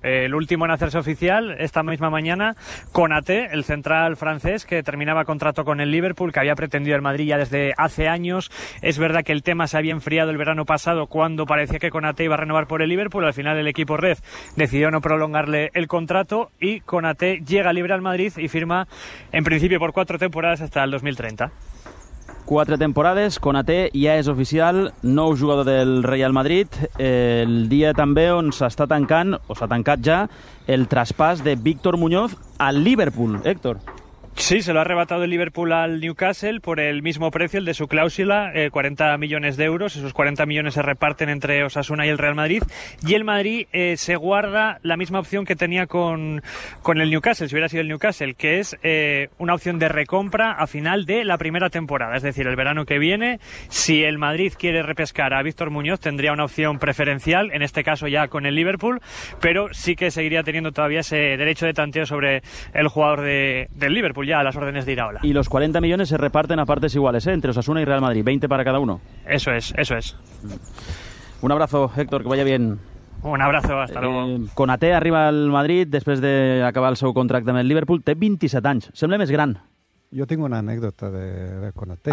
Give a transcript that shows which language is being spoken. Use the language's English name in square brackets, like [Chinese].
[Spanish] El último en hacerse oficial esta misma mañana, Konaté, el central francés que terminaba contrato con el Liverpool, que había pretendido el Madrid ya desde hace años. Es verdad que el tema se había enfriado el verano pasado cuando parecía que Konaté iba a renovar por el Liverpool. Al final el equipo red decidió no prolongarle el contrato y Konaté llega libre al Madrid y firma en principio por 4 temporadas hasta el 2030. [Catalan] 4 temporades, Konaté ja és oficial, nou jugador del Real Madrid, el dia també on s'està tancant, o s'ha tancat ja, el traspàs de Víctor Muñoz al Liverpool. Héctor. [Spanish] Sí, se lo ha arrebatado el Liverpool al Newcastle por el mismo precio, el de su cláusula, 40 millones de euros. Esos 40 millones se reparten entre Osasuna y el Real Madrid. Y el Madrid se guarda la misma opción que tenía con el Newcastle, si hubiera sido el Newcastle, que es una opción de recompra a final de la primera temporada, es decir, el verano que viene. Si el Madrid quiere repescar a Víctor Muñoz, tendría una opción preferencial, en este caso ya con el Liverpool, pero sí que seguiría teniendo todavía ese derecho de tanteo sobre el jugador del Liverpool. Ya a las órdenes de Iraola. Y los 40 millones se reparten a partes iguales, ¿eh? Entre Osasuna y Real Madrid, 20 para cada uno. Eso es, eso es. Un abrazo, Héctor, que vaya bien. Un abrazo, hasta luego. [Catalan] Konaté arriba al Madrid después de acabar el seu contracte amb el Liverpool. Té 27 anys, sembla més gran. [Spanish] Yo tengo una anécdota de Konaté.